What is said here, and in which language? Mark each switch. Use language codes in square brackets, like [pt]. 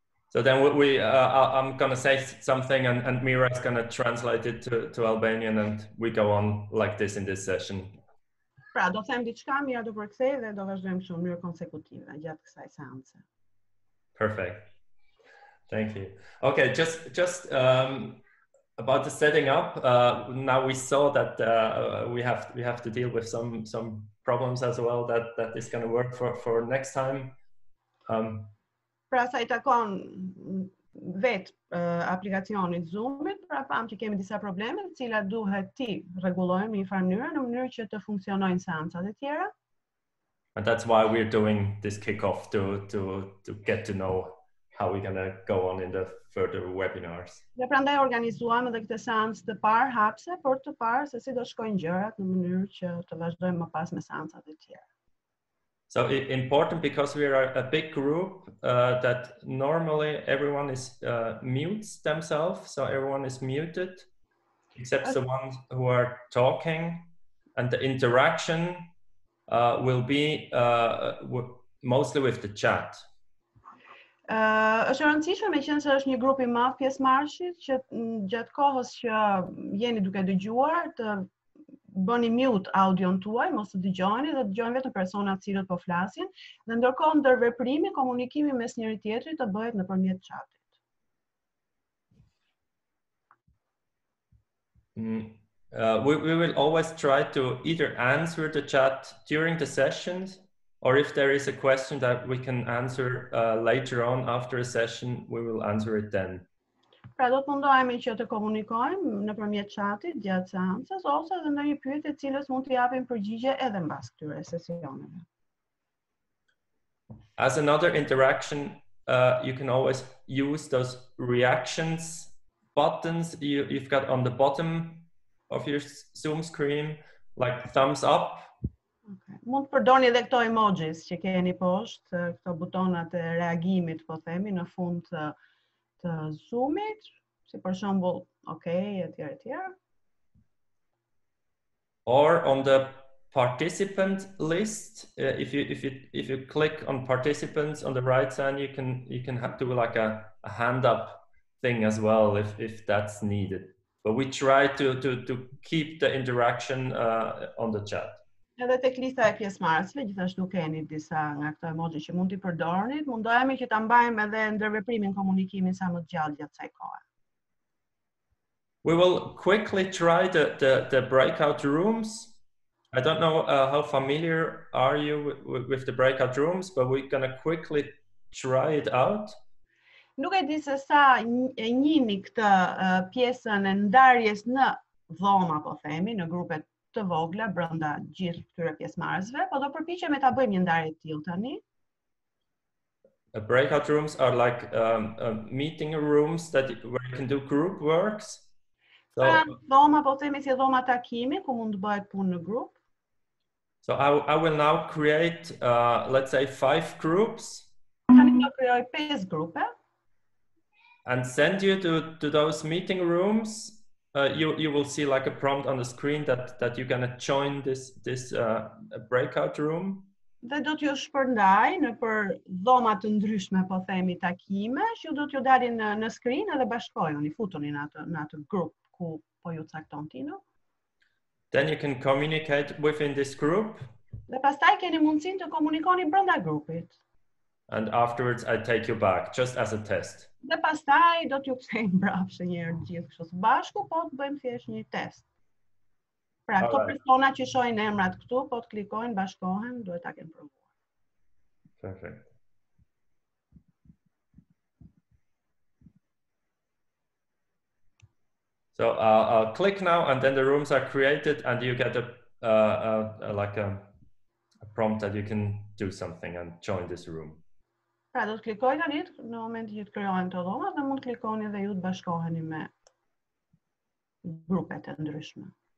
[en] So then we I'm going to say something and Mira is going to translate it to Albanian and we go on like this in this session. [sq] Pra, do them diçka, mira do përkthej dhe do vazhdojmë në mënyrë konsekutive gjatë kësaj seance. [en] Perfect. Thank you. Okay, just about the setting up. Now we saw that we have to deal with some problems as well that is going to work for next time. [sq] Pra sa I takon vet aplikacionit Zoomit, pra pam që kemi disa probleme, të cilat duhet ti rregullojmë në një farë mënyrë, në mënyrë që të funksionojnë seancat e tjera. [en] And that's why we're doing this kickoff to get to know how we're going to go on in the further webinars. [sq] Ne prandaj organizuam edhe këtë seancë të parë hapse për të parë se si do shkojnë gjërat në mënyrë që të vazhdojmë më pas me seancat e tjera. [en] So important because we are a big group that normally everyone is mutes themselves, so everyone is muted except the ones who are talking, and the interaction will be mostly with the chat. [sq] Është e rëndësishme meqense është një grup I madh pjesëmarrësit që gjatë kohës që jeni duke dëgjuar të bëni mute audion tuaj, mos të dëgjojni dhe dëgjojnë vetëm personat cilët po flasin, dhe ndërkohë ndër veprimi komunikimi mes njëri tjetrit të bëhet nëpërmjet chatit. [en] We will always try to either answer the chat during the sessions, or if there is a question that we can answer later on after a session, we will answer it then. [sq] Pra do të mundohemi që të komunikojmë nëpërmjet chatit gjatë seancës ose edhe ndonjë pyetje të cilës mund të japim përgjigje edhe mbas këtyre sesioneve. [en] As another interaction, you can always use those reactions buttons you've got on the bottom of your Zoom screen, like thumbs up. Okay. [sq] Mund të përdorni edhe këto emojis që keni poshtë, këto butonat e reagimit, po themi në fund të Zoomit, si për shembull, okay, etj. [en] Or on the participant list, if you click on participants on the right side, you can have to do like a hand up thing as well if that's needed. But we try to keep the interaction on the chat. [sq] Edhe tek lista e pjesëmarrësve, gjithashtu keni disa nga këto emoji që mund t'i përdorni. Mundohemi që ta mbajmë edhe ndër veprimin komunikimin sa më gjallë gjatë kësaj kohe. [en] We will quickly try the breakout rooms. I don't know how familiar are you with the breakout rooms, but we're going to quickly try it out. [sq] Nuk e di se sa e njihni këtë pjesën e ndarjes në dhoma, po themi, në grupet të vogla brenda gjithë këtyre pjesëmarrësve, po do përpiqemi ta bëjmë një ndarje të tillë tani. [en] The breakout rooms are like meeting rooms that where you can do group works. [sq] So dhoma po themi si dhoma takimi ku mund të bëhet punë në grup. [en] So I will now create let's say 5 groups. [sq] Tani do krijoj 5 grupe. [en] And send you to those meeting rooms. You will see like a prompt on the screen that you're going to join this breakout room. [sq] dhe do t'ju shpërndaj në për dhomat të ndryshme, po themi, takime, që do t'ju dalin në, në screen edhe bashkojoni, futoni në atë grup ku po ju cakton Tino. [en] Then you can communicate within this group. [sq] Dhe pastaj keni mundësin të komunikoni brënda grupit. [en] And afterwards I take you back, just as a test. [sq] Dhe pastaj do t'ju kthejmë mbrapsht njërë gjithë kështu së bashku, po të bëjmë thjesht një test. Pra, këto persona që shojnë emrat këtu, po të klikojnë, bashkohen, duhet ta kenë provuar. [en] Perfect. So, I'll click now and then the rooms are created and you get a prompt that you can do something and join this room. [sq] Pra, do të klikojnë tani në moment që të krijohen këto dhoma dhe mund të klikoni dhe ju të bashkoheni me grupet e ndryshme.